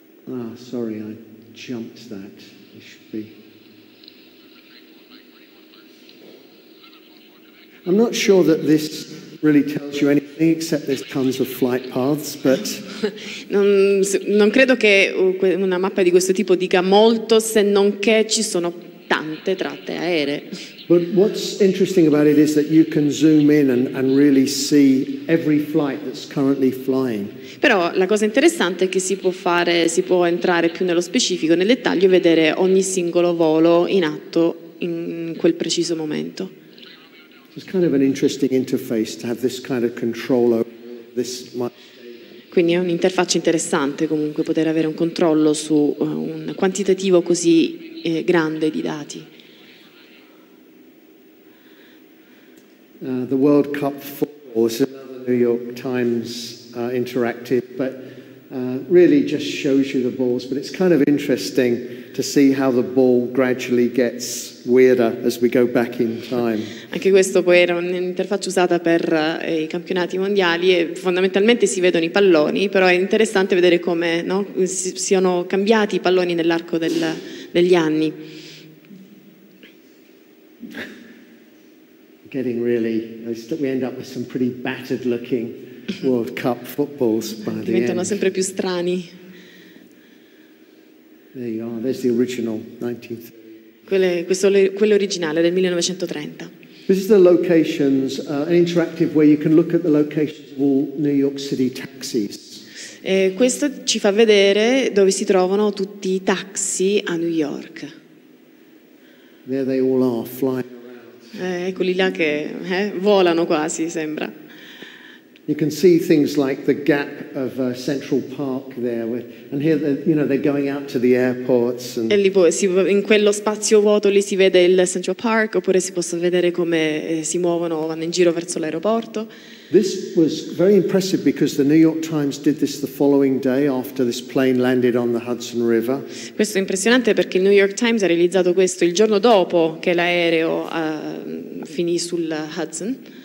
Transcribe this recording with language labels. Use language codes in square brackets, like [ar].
[en] Ah, sorry, I jumped that. It should be. I'm not sure that this really tells you anything except there's tons of flight paths, but [it] non credo che una mappa di questo tipo dica molto, se non che ci sono tante tratte aeree. [en] But what's interesting about it is that you can zoom in and really see every flight that's currently flying. [it] Però la cosa interessante è che si può entrare più nello specifico, nel dettaglio, e vedere ogni singolo volo in atto in quel preciso momento. [en] It's kind of an interesting interface to have this kind of control over this much. [it] Quindi è un'interfaccia interessante comunque poter avere un controllo su un quantitativo così grande di dati. [en] The World Cup football is another New York Times interactive, but really just shows you the balls. But it's kind of interesting to see how the ball gradually gets weirder as we go back in time. [it] Anche questo poi era un'interfaccia usata per i campionati mondiali, e fondamentalmente si vedono i palloni, però è interessante vedere come, no, siano cambiati i palloni nell'arco degli anni. [en] Getting really, we end up with some pretty battered looking World Cup footballs by the end. [it] Diventano sempre più strani. [en] There you are, there's the original, 1930. [it] Quello originale del 1930. [en] This is the locations, an interactive where you can look at the locations of all New York City taxis. [it] E questo ci fa vedere dove si trovano tutti i taxi a New York. [en] There they all are, flying. [it] Eccoli là che volano quasi, sembra. [en] You can see things like the gap of Central Park there, and here they're going out to the airports. And [it] e lì in quello spazio vuoto lì si vede il Central Park, oppure si possono vedere come si muovono, vanno in giro verso l'aeroporto. [en] This was very impressive because the New York Times did this the following day after this plane landed on the Hudson River. [it] Questo è impressionante perché il New York Times ha realizzato questo il giorno dopo che l'aereo finì sul Hudson.